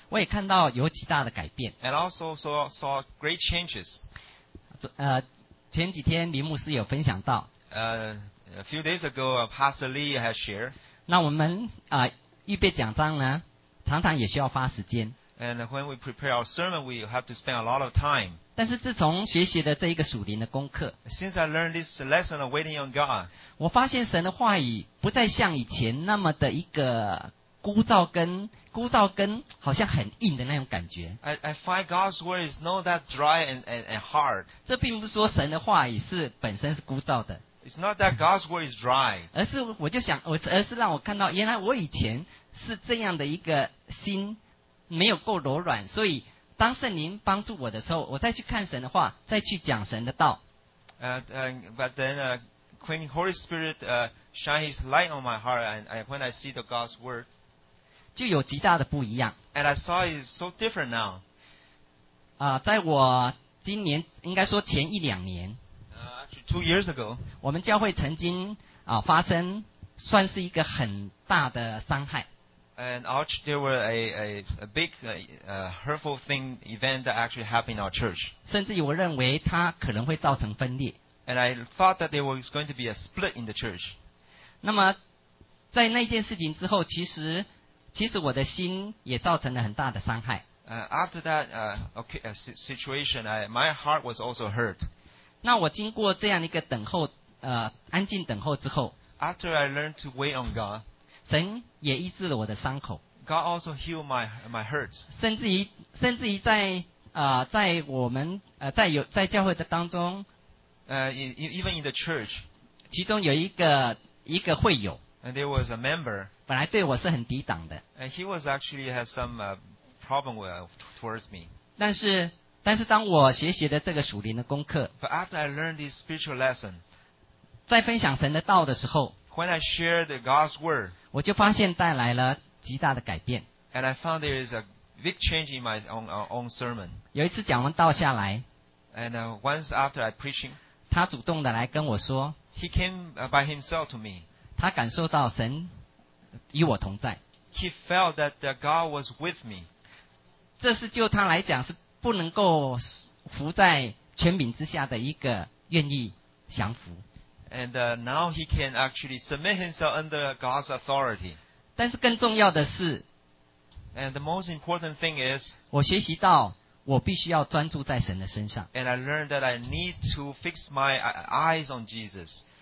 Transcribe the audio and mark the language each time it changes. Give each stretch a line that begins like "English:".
Chinese: 我也看到有极大的改变。
English: And also saw great changes.
Chinese: 前几天林牧师有分享到。
English: A few days ago, Pastor Lee has shared.
Chinese: 那我们预备讲章呢，常常也需要花时间。
English: And when we prepare our sermon, we have to spend a lot of time.
Chinese: 但是自从学习了这一个属灵的功课
English: ，Since I learned this lesson of waiting on God,
Chinese: 我发现神的话语不再像以前那么的一个。孤燥跟好像很硬的那种感觉。
English: I find God's word is not that dry and hard.
Chinese: 这并不是说神的话语是本身是孤燥的。
English: It's not that God's word is dry.
Chinese: 而是让我看到，原来我以前是这样的一个心，没有够柔软。所以当圣灵帮助我的时候，我再去看神的话，再去讲神的道。
English: But then when Holy Spirit shine His light on my heart, and when I see the God's word.
Chinese: 就有极大的不一样。
English: And I saw it's so different now.
Chinese: 在我今年，应该说前一两年。
English: Actually, 2 years ago.
Chinese: 我们教会曾经发生算是一个很大的伤害。
English: And actually, there were a big hurtful thing event that actually happened in our church.
Chinese: 甚至我认为它可能会造成分裂。
English: And I thought that there was going to be a split in the church.
Chinese: 那么在那件事情之后，其实我的心也造成了很大的伤害。
English: After that situation, my heart was also hurt.
Chinese: 那我经过这样一个等候，安静等候之后
English: ，After I learned to wait on God,
Chinese: 神也医治了我的伤口。
English: God also healed my hurts.
Chinese: 甚至于在我们在教会的当中，
English: even in the church,
Chinese: 其中有一个会友。
English: And there was a member.
Chinese: 本来对我是很抵挡的。
English: And he was actually has some problem towards me.
Chinese: 但是当我学习了这个属灵的功课
English: ，But after I learned this spiritual lesson,
Chinese: 在分享神的道的时候
English: ，When I shared God's word,
Chinese: 我就发现带来了极大的改变。
English: And I found there is a big change in my own sermon.
Chinese: 有一次讲完道下来
English: ，And once after I preaching,
Chinese: 他主动的来跟我说
English: ，He came by himself to me.
Chinese: 他感受到神与我同在。
English: He felt that God was with me.
Chinese: 这是就他来讲是不能够服在权柄之下的一个愿意降服。
English: And now he can actually submit himself under God's authority.
Chinese: 但是更重要的是
English: ，And the most important thing is，
Chinese: 我学习到我必须要专注在神的身上。
English: And I learned that I need to fix my eyes on Jesus.